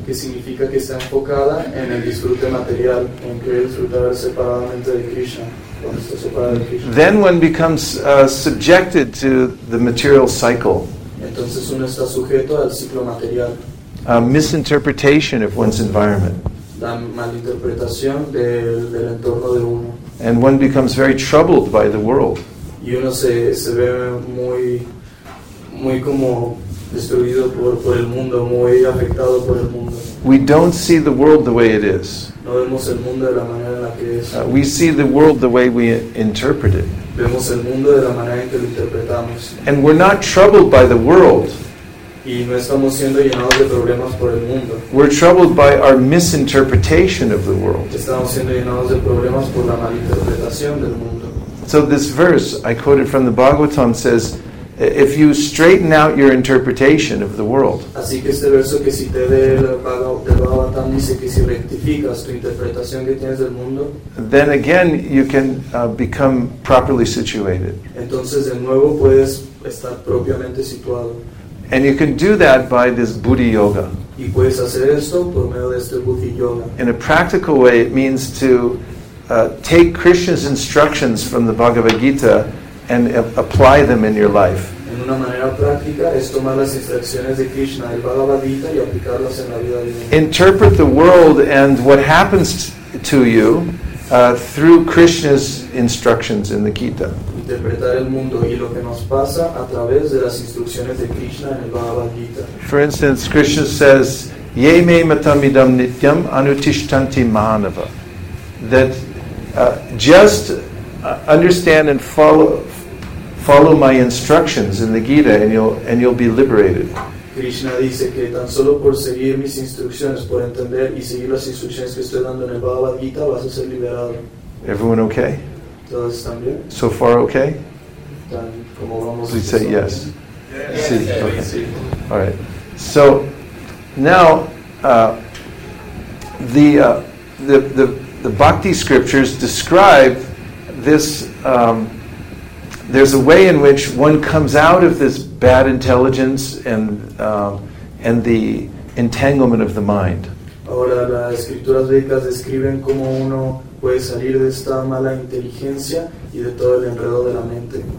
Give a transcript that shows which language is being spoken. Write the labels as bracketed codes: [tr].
[es] Que significa que está enfocada en el disfrute material, en querer disfrutar separadamente de Krishna, cuando está separada de Krishna. [en] Then one becomes subjected to the material cycle. [es] Entonces uno está sujeto al ciclo material. [en] A misinterpretation of one's environment. [es] La malinterpretación del entorno de uno. [en] And one becomes very troubled by the world. [es] Y uno se ve muy como destruido por el mundo, muy afectado por el mundo. [en] We don't see the world the way it is. [es] No vemos el mundo de la manera en la que es. [en] We see the world the way we interpret it. [es] Vemos el mundo de la manera en que lo interpretamos. [en] And we're not troubled by the world. [es] Y no estamos siendo llenados de problemas por el mundo. [en] We're troubled by our misinterpretation of the world. [es] Estamos siendo llenados de problemas por la malinterpretación del mundo. [en] So this verse I quoted from the Bhagavatam says, if you straighten out your interpretation of the world, [es] así que este verso que cité del Bhagavatam dice que si rectificas tu interpretación que tienes del mundo, [en] then again you can become properly situated. [es] Entonces de nuevo puedes estar propiamente situado. [en] And you can do that by this buddhi yoga. [es] Y puedes hacer esto por medio de este buddhi yoga. [en] In a practical way, it means to take Krishna's instructions from the Bhagavad Gita and apply them in your life. [es] En una manera práctica es tomar las instrucciones de Krishna del Bhagavad Gita y aplicarlas en la vida de uno. [en] Interpret the world and what happens to you through Krishna's instructions in the Gita. [es] Interpretar el mundo y lo que nos pasa a través de las instrucciones de Krishna en el Bhagavad Gita. [en] For instance, Krishna says, [sa] "Ye me matam idam nityam anutishtanti manava." [en] That just understand and follow my instructions in the Gita, and you'll be liberated. [es] Krishna dice que tan solo por seguir mis instrucciones, por entender y seguir las instrucciones que estoy dando en el Bhagavad Gita, vas a ser liberado. [en] Everyone okay? [es] Todos están bien. [en] So far okay? [es] Como vamos. [en] Please say yes. Yes. [es] Sí. [en] Yes. Okay. Yes. All right. So now the the bhakti scriptures describe this. There's a way in which one comes out of this bad intelligence and the entanglement of the mind. [es] Ahora las escrituras védicas describen cómo uno puede salir de esta mala inteligencia y de todo el enredo de la mente.